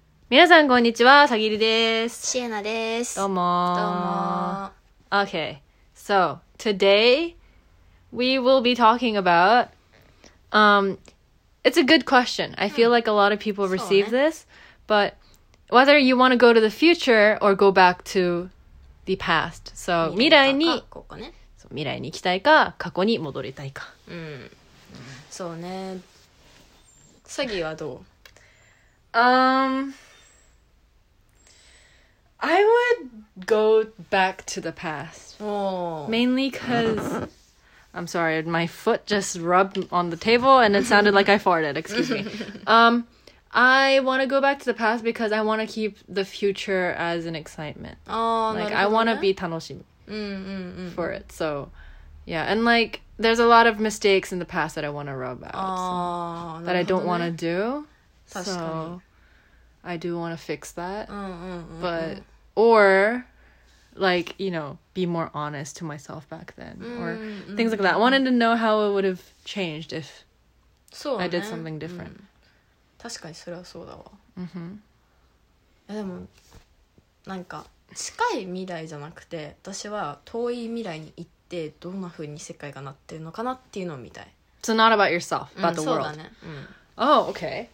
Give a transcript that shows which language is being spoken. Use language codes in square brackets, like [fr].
[ja] 皆さんこんにちは、さぎりです。シエナです。どうもどうも。 [en] Okay, so today we will be talking about it's a good question. I feel like a lot of people receive this, but whether you want to go to the future or go back to the past. So [ja] 未来に、未来に行きたいか過去に戻りたいか。そうね。さぎはどう？ [en] I would go back to the past. Mainly because... I'm sorry, my foot just rubbed on the table and it sounded like I farted. Excuse me. I want to go back to the past because I want to keep the future as an excitement. Like, I want to be [ja] 楽しみ [en] for it. So, yeah. And like, there's a lot of mistakes in the past that I want to rub out. That I don't want to do. So... I do want to fix that, but, or, like, you know, be more honest to myself back then, or things like that. I wanted to know how it would have changed if I did something different. [ja] 確かにそれはそうだわ。 [en] Mm-hmm. [ja] でも、なんか、近い未来じゃなくて、私は遠い未来に行って、どんな風に世界がなってるのかなっていうのを見たい。 [en] So not about yourself, about the world. [ja] そうだね。 [en] Oh, okay.